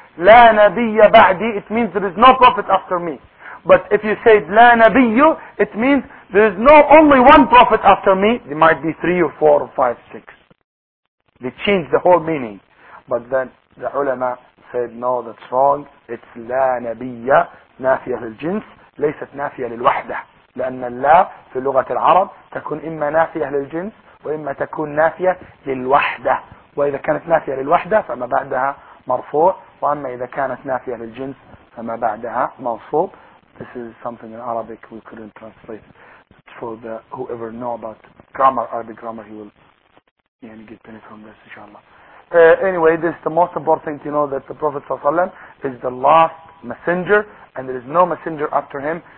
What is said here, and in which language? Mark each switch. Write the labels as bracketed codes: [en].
[en] La nabiyya ba'di, it means there is no prophet after me. But if you say لا نبي, it means there is no only one prophet after me. There might be three or four or five, six. They change the whole meaning. But then the ulama said, no, that's wrong. [ar] It's لا نبي نافية للجنس ليست نافية للوحدة. لأن الله في لغة العرب تكون إما نافية للجنس وإما تكون نافية للوحدة. وإذا كانت نافية للوحدة فما بعدها مرفوع وأما إذا كانت نافية للجنس فما بعدها موصوب. [en] This is something in Arabic we couldn't translate. But for the whoever know about grammar, Arabic grammar, he will يعني get benefit from this inshallah. Anyway, this is the most important thing to know, that the Prophet sallallahu alaihi wasallam is the last messenger, and there is no messenger after him.